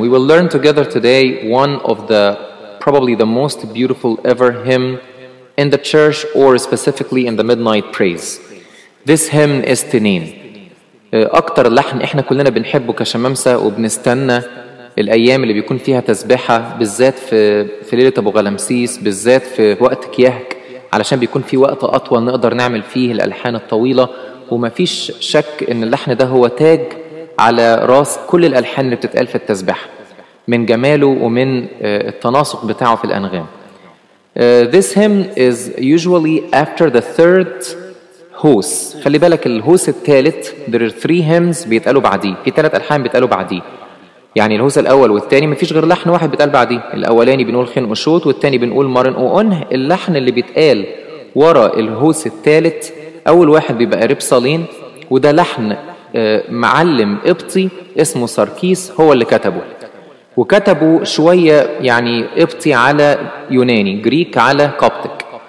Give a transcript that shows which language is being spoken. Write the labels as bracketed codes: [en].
[en] We will learn together today one of the probably the most beautiful ever hymn in the church, or specifically in the midnight praise. This hymn is Tinin. [ar] أكتر لحن إحنا كلنا بنحبه كشمامسة وبنستنى الأيام اللي بيكون فيها تسبيحة بالذات في ليلة أبو غلامسيس بالذات في وقت كيهك علشان بيكون في وقت أطول نقدر نعمل فيه الألحان الطويلة وما فيش شك إن اللحن ده هو تاج على راس كل الألحان اللي بتتقال في التسبيح من جماله ومن التناسق بتاعه في الأنغام. [en] This hymn is usually after the third hose. [ar] خلي بالك الهوس الثالث. [en] There are three hymns [ar] بيتقالوا بعديه. في ثلاث ألحان بيتقالوا بعديه. يعني الهوس الأول والثاني ما فيش غير لحن واحد بيتقال بعديه. الأولاني بنقول خن أشوت والثاني بنقول مارن أونه. اللحن اللي بيتقال وراء الهوس الثالث أول واحد بيبقى ريبسالين وده لحن معلم إبطي اسمه ساركيس هو اللي كتبه وكتبه شوية يعني إبطي على يوناني جريك على كوبتك.